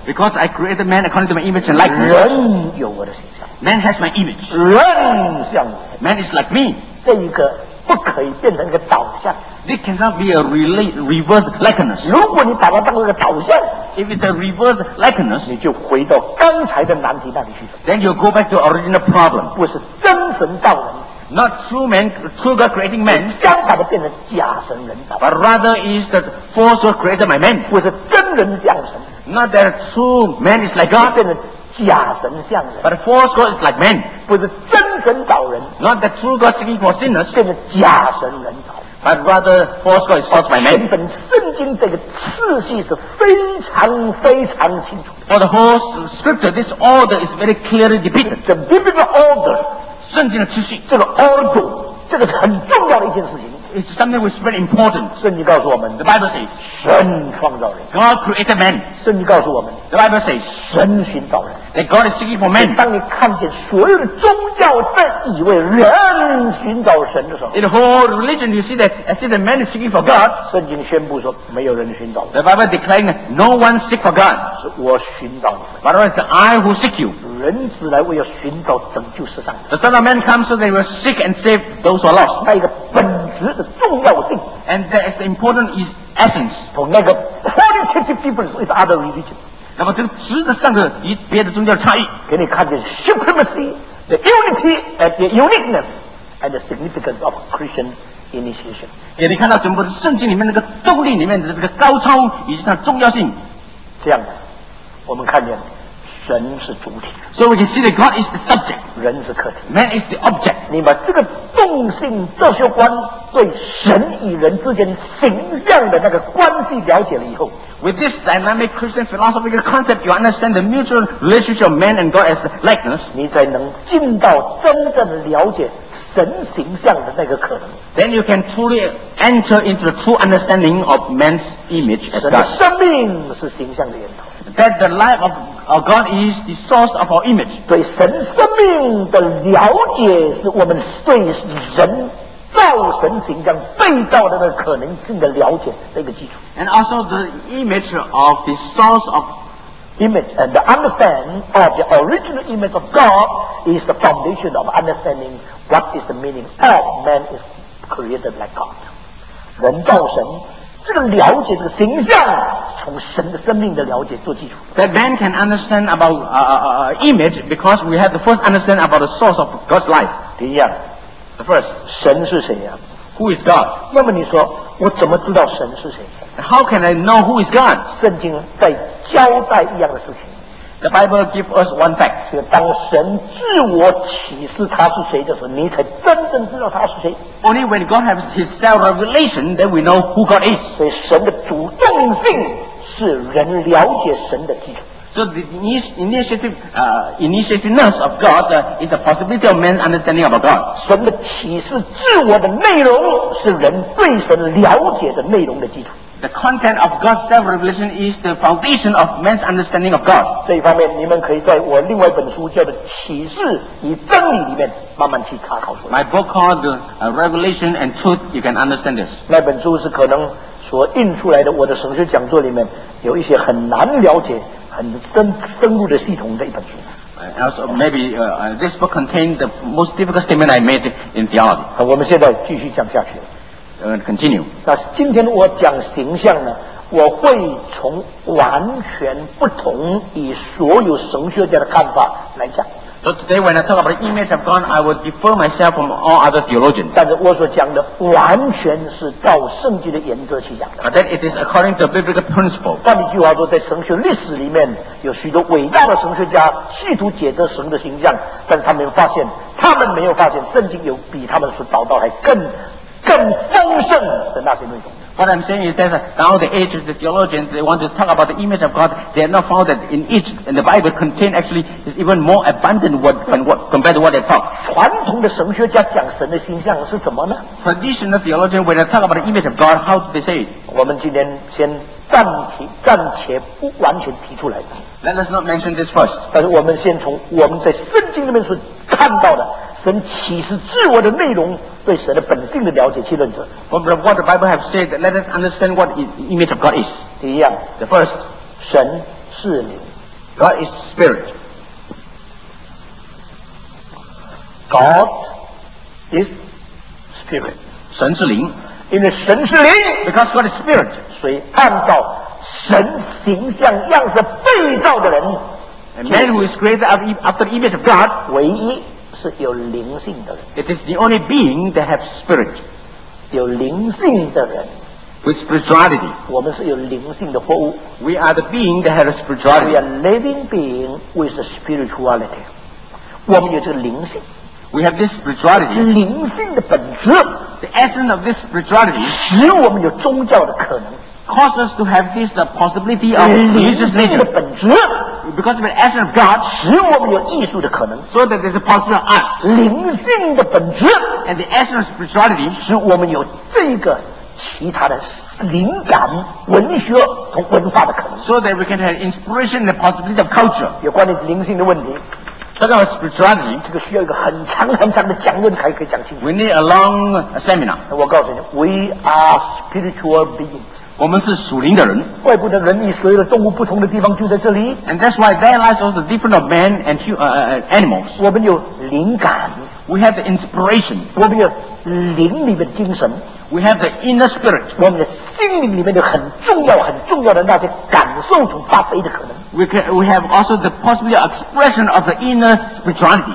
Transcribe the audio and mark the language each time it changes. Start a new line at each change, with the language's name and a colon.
English: Because I create a man according to my image and likeness.
Chinese: 人有我的形象。
English: Man has my image.
Chinese: 人像我。
English: Man is like me.
Chinese: 这一个不可以变成一个导向。
English: This cannot be a reverse likeness.
Chinese: 如果你把它当成一个导向。
English: If it's a reverse likeness,
Chinese: 你就回到刚才的难题那里去了。
English: Then you go back to original problem.
Chinese: 不是真神造人。
English: Not true man, true God creating man.
Chinese: 相反的变成假神人造。
English: But rather is the false God created by man.
Chinese: 不是真人像神。
English: Not that true man is like God.
Chinese: 变成假神像人。
English: But false God is like man.
Chinese: 不是真神造人。
English: Not that true God seeking for sinners.
Chinese: 变成假神人造。
English: But rather false God is false by man.
Chinese: 全本圣经这个次序是非常非常清楚。
English: For the whole scripture, this order is very clearly depicted. The biblical order.
Chinese: 圣经的秩序，这个 order， 这个是很重要的一件事情。
English: It's something which is very important.
Chinese: 圣经告诉我们
English: ，The Bible says，
Chinese: 神创造人
English: ，God created man。
Chinese: 圣经告诉我们
English: ，The Bible says，
Chinese: 神寻找人
English: ，That God is seeking for man。
Chinese: 当你看见所有的宗教。道正义为人寻找神的时候。
English: In the whole religion, you see that, I see the man is seeking for God.
Chinese: 圣经宣布说没有人寻找。
English: The Bible declaring that no one seek for God.
Chinese: 是我寻找你。
English: But it's I who seek you.
Chinese: 人子来为要寻找拯救世上。
English: The Son of Man comes so they will seek and save those who are lost.
Chinese: 那一个本质的重要性。
English: And that is important is essence. For
Chinese: 那个
English: quality people with other religions.
Chinese: 那么这个值得上个与别的宗教的差异，给你看见
English: supremacy, the unity and the uniqueness and the significance of Christian initiation.
Chinese: 给你看到整个圣经里面那个动力里面的这个高超以及它的重要性。这样的，我们看见神是主体。
English: So we can see that God is the subject.
Chinese: 人是客体。
English: Man is the object.
Chinese: 你把这个动性、哲学观对神与人之间形象的那个关系了解了以后。
English: With this dynamic Christian philosophical concept, you understand the mutual relationship of man and God as likeness.
Chinese: 你才能进到真正了解神形象的那个可能。
English: Then you can truly enter into the true understanding of man's image as God.
Chinese: 神的生命是形象的源头。
English: That the life of our God is the source of our image.
Chinese: 对神生命的了解是我们对人造神形象被造的那个可能性的了解，那个基础。
English: And also the image of the source of image and the understanding of the original image of God is the foundation of understanding what is the meaning of man is created like God.
Chinese: 人造神这个了解这个形象，从神的生命的了解做基础。
English: That man can understand about image because we have the first understand about the source of God's life.
Chinese: 第一样。
English: The first,
Chinese: 神是谁呀、
English: 啊、？Who is God？
Chinese: 那么你说我怎么知道神是谁
English: ？How can I know who is God？
Chinese: 圣经在交代一样的事情。
English: The Bible gives us one fact，
Chinese: 是当神自我启示他是谁的时候，你才真正知道他是谁。
English: Only when God has His self-revelation, then we know who God is。
Chinese: 所以神的主动性是人了解神的基础。
English: So the initiativeness of God is the possibility of man's understanding about God.
Chinese: 神的启示自我的内容是人对神了解的内容的基础。
English: The content of God's self-revelation is the foundation of man's understanding of God.
Chinese: 这一方面你们可以在我另外一本书叫做《启示与真理》里面慢慢去查考出来。
English: My book called the Revelation and Truth, you can understand this.
Chinese: 那本书是可能所印出来的我的神学讲座里面有一些很难了解很深入的系统的一本书。
English: Also, maybe this book contains the most difficult statement I made in theology.
Chinese: 我们现在继续讲下去。
English: Continue.
Chinese: 但是今天我讲形象呢，我会从完全不同以所有神学家的看法来讲。
English: So today, when I talk about the image of God, I will defer myself from all other theologians.
Chinese: 但是我所讲的完全是照圣经的原则去讲的。
English: But then it is according to biblical principle.
Chinese: 换一句话说，在神学历史里面，有许多伟大的神学家试图解释神的形象，但是他们发现，他们没有发现圣经有比他们所找到还更丰盛的那些内容。
English: What I'm saying is that now the ages, the theologians, they want to talk about the image of God, they have not found that in each, in the Bible contain actually is even more abundant what, than what, compared to what they talk.
Chinese: 传统的神学家讲神的形象是怎么呢？
English: Traditional theologians, when they talk about the image of God, how do they say it?
Chinese: 我们今天先暂且不完全提出来。
English: Let us not mention this first.
Chinese: 但是我们先从我们在圣经里面所看到的神启示自我的内容对神的本性的了解去论证。
English: But what the Bible has said, let us understand what the image of God is.
Chinese: 第一样。
English: The first.
Chinese: 神是灵。
English: God is spirit. God is spirit.
Chinese: 神是灵。因为神是灵。
English: Because God is spirit.
Chinese: 所以按照神形象样式被造的人。
English: A man who is created after the image of God.
Chinese: 唯一。是有灵性的人。
English: It is the only being that have spirit.
Chinese: 有灵性的人。
English: With spirituality.
Chinese: 我们是有灵性的活物。
English: We are the being that have spirituality. We are living being with spirituality.
Chinese: 我们有这个灵性。
English: We have this spirituality.
Chinese: 灵性的本质。
English: The essence of this spirituality.
Chinese: 使我们有宗教的可能。
English: Cause us to have this possibility of religious nature.
Chinese: 灵性的本质。
English: Because of the essence of God,
Chinese: 使我们有艺术的可能。
English: So that there's a possible art.
Chinese: 灵性的本质。
English: And the essence of spirituality,
Chinese: 使我们有这个其他的灵感、文学和文化的可能。
English: So that we can have inspiration and the possibility of culture.
Chinese: 有关于灵性的问题。
English: That our spirituality,
Chinese: 这个需要一个很长很长的讲论才可以讲清楚。
English: We need a long seminar.
Chinese: 我告诉你
English: ，We are spiritual beings.
Chinese: 我们是属灵的人。外部的人与所有的动物不同的地方就在这里。
English: And that's why their lives are different of men and animals.
Chinese: 我们有灵感。
English: We have the inspiration.
Chinese: 我们有灵里面的精神。
English: We have the inner spirit.
Chinese: 我们的心灵里面有很重要很重要的那些感受所发挥的可能。
English: We have also the possible expression of the inner spirituality.